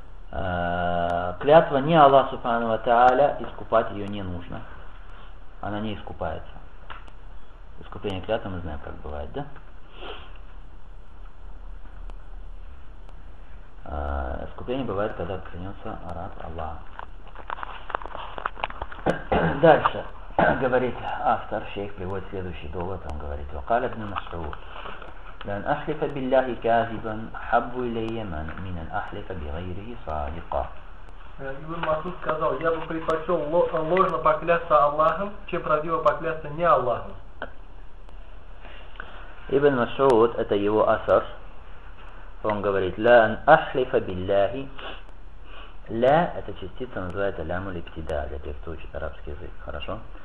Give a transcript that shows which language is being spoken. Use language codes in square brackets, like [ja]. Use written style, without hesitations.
[ru] Клятва не Аллах субхану ва тааля, искупать ее не нужно. Она не искупается. Искупление клятвы мы знаем, как бывает, да? Искупление бывает, когда клянется раб Аллах. Дальше говорит автор, шейх приводит следующий довод, он говорит: [ar] وقال ابن مسعود لن أحلف بالله كاذبا حب إلي من أن أحلف بغيره صادقا. [ru] Ибн Масуд сказал: я бы предпочел ложно поклясться Аллахом, чем правдиво поклясться не Аллахом. Ибн Масуд, это его асар, он говорит: [ar] لن أحلف بالله. [ru] Ля, это частица называется ляму лептида, для тех, кто учит арабский язык, хорошо?